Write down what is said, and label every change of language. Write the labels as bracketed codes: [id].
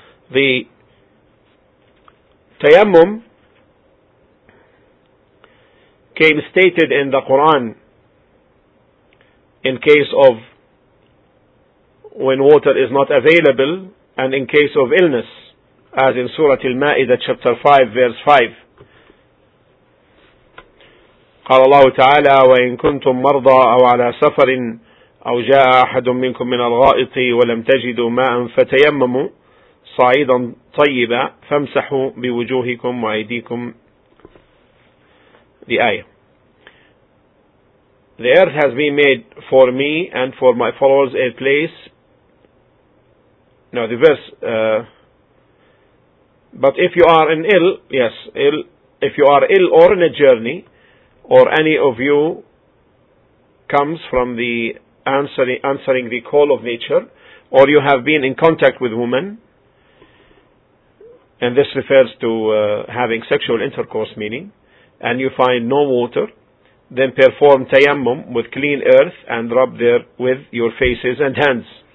[en] The tayammum came stated in the Quran in case of when water is not available and in case of illness, as in Surah Al-Ma'idah chapter 5 verse 5. [ar] قال الله تعالى وإن كنتم مرضى أو على سفر أو جاء أحد منكم من الغائط ولم تجدوا ماء فتيمموا صعيدا طيبا فامسحوا بوجوهكم وأيديكم. [en] The ayah. The earth has been made for me and for my followers a place. Now the verse, but if you are in ill, yes, ill, if you are ill or in a journey, or any of you comes from the answering the call of nature, or you have been in contact with women, and this refers to having sexual intercourse meaning, and you find no water, then perform tayammum with clean earth and rub there with your faces and hands.